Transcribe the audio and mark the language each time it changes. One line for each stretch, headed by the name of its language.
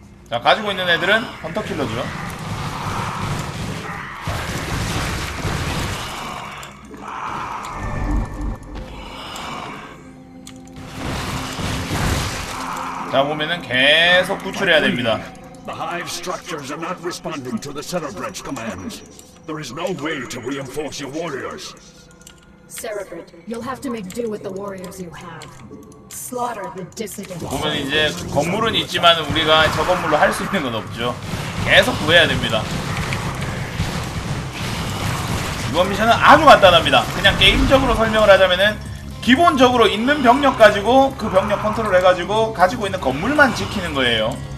Korean: 자, 가지고 있는 애들은 헌터킬러죠. 자, 보면은 계속 구출해야 됩니다.
English: The hive structures are not responding to the Cerebrate commands. There is no way to reinforce your warriors. Cerebrate, you'll have to make do with the warriors you have. Slaughter the dissident.
Korean: 보면 이제 건물은 있지만 우리가 저 건물로 할 수 있는 건 없죠. 계속 구해야 됩니다. 이번 미션은 아주 간단합니다. 그냥 게임적으로 설명을 하자면은 기본적으로 있는 병력 가지고 그 병력 컨트롤 해가지고 가지고 있는 건물만 지키는 거예요.